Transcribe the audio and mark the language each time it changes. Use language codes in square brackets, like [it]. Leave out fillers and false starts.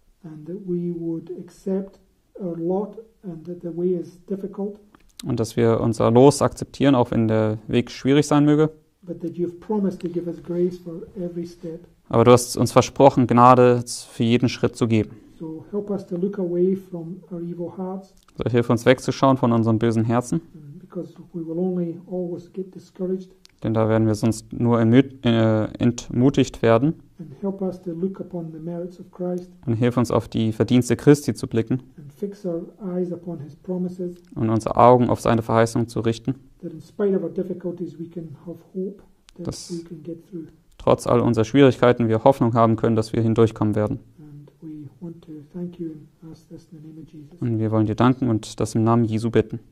[en] And that we would accept our lot and that the way is difficult. [de] Und dass wir unser Los akzeptieren, auch wenn der Weg schwierig sein möge. [en] But that you've promised to give us grace for every step. [de] Aber du hast uns versprochen, Gnade für jeden Schritt zu geben. [en] So help us to look away from our evil hearts. [de] So hilf uns wegzuschauen von unseren bösen Herzen. [en] Because we will only always get discouraged. [de] Denn da werden wir sonst nur entmutigt werden. [en] And help us to look upon the merits of Christ. [de] Und hilf uns, auf die Verdienste Christi zu blicken. [en] And fix our eyes upon his promises. [de] Und unsere Augen auf seine Verheißungen zu richten. [en] That in spite of our difficulties we can have hope that [de] das [en] we can get through. [de] Trotz all unserer Schwierigkeiten wir Hoffnung haben können, dass wir hindurchkommen werden. Und wir wollen dir danken und das im Namen Jesu bitten.